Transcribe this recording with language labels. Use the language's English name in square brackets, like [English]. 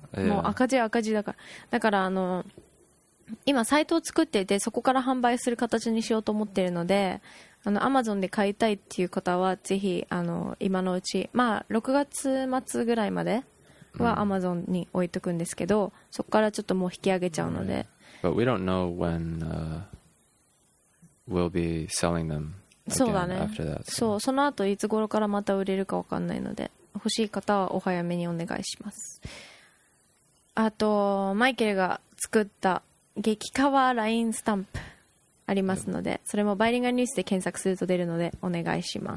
[Japanese] もう赤字赤字だから。だから、あの、今サイトを作っていて、そこから販売する形にしようと思ってるので、あの、Amazon で買いたいっていう方は、ぜひ、あの、今のうち、まあ、6月末ぐらいまで、は Amazon に置いとくんですけど、そこからちょっともう引き上げちゃうので。 [English] But we don't know when we'll be selling them again after that. [Japanese] そうだね。そう、その後いつ頃からまた売れるか分かんないので、欲しい方はお早めにお願いします。あと、マイケルが作った激カワラインスタンプありますので、それもバイリンガルニュースで検索すると出るのでお願いします。